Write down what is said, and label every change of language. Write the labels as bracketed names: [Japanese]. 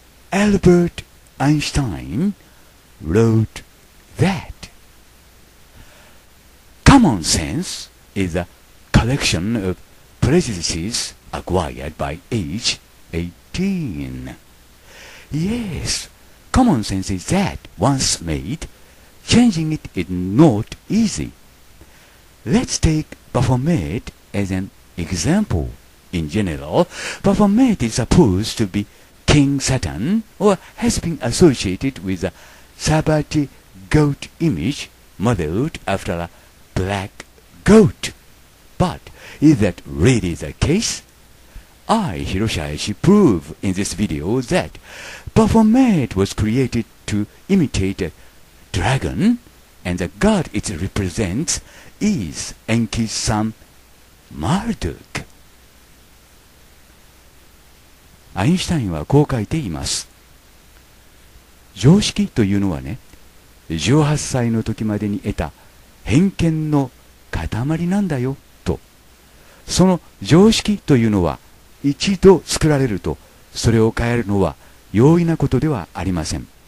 [English] アルバート・アインシュタインwrote that common sense is a collection of prejudices acquired by age 18. Yes, common sense is that once made, changing it is not easy. Let's take Baphomet as an example. In general, Baphomet is supposed to be King Satan or has been associated with a Sabbati goat image modeled after a black goat. But is that really the case? I, Hiroshi Hayashi, prove in this video that Baphomet was created to imitate a dragon and the god it represents is Enki-san Marduk. [Japanese] アインシュタインはこう書いています。常識というのはね、18歳の時までに得た偏見の塊なんだよと。その常識というのは一度作られるとそれを変えるのは容易なことではありません。